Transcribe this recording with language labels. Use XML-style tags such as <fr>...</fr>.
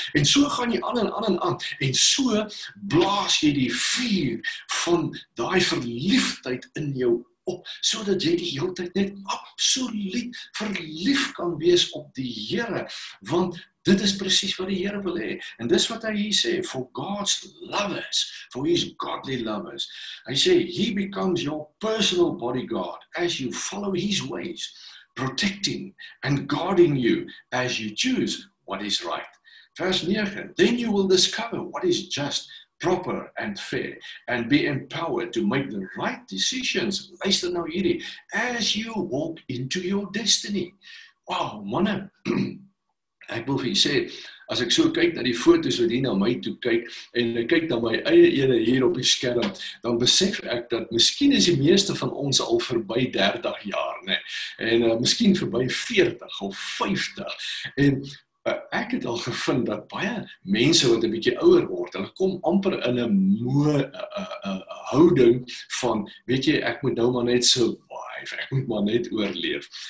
<af>En so gaan jy aan en aan en aan, en so blaas jy die vuur van die verliefdheid in jou op, so dat jy die hele tyd net absoluut verlief kan wees op die Here, want dit is precies wat die Here wil hê. En dis wat hy hier sê,</af> <en>for God's lovers, for his godly lovers,</en> <af>hy sê,</af> <en>he becomes your personal bodyguard as you follow his ways, protecting and guarding you as you choose what is right. Vers 9, then you will discover what is just, proper and fair, and be empowered to make the right decisions,</en> <af>luister nou hierdie,</af> <en>as you walk into your destiny.</en> <af>Wow, manne, ek wil vir jy sê, as ek so kyk na die foto's wat hier na my toe kyk, en ek kyk na my eie ene hier op die skerm, dan besef ek dat miskien is die meeste van ons al verby 30 jaar, ne? En miskien verby 40 of 50, en ek het al gevind dat baie mense wat een bietjie ouder word, hulle kom amper in een moe houding van, weet jy, ek moet nou maar net survive, ek moet maar net oorleef.</af>